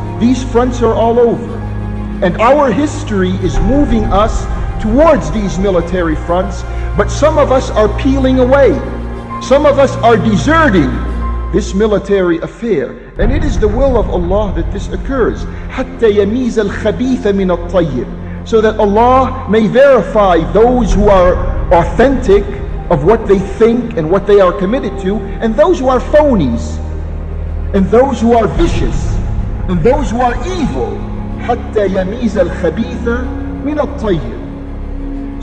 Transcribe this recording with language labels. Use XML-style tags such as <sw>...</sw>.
<en>These fronts are all over. And our history is moving us towards these military fronts, but some of us are peeling away. Some of us are deserting this military affair. And it is the will of Allah that this occurs.</en> <ar>حتى يميز الخبيث من الطيب.</ar> <en>So that Allah may verify those who are authentic of what they think and what they are committed to, and those who are phonies, and those who are vicious, and those who are evil.</en> <ar>حَتَّى يَمِيزَ الْخَبِيثَ مِنَ الطَّيِّبِ.</ar>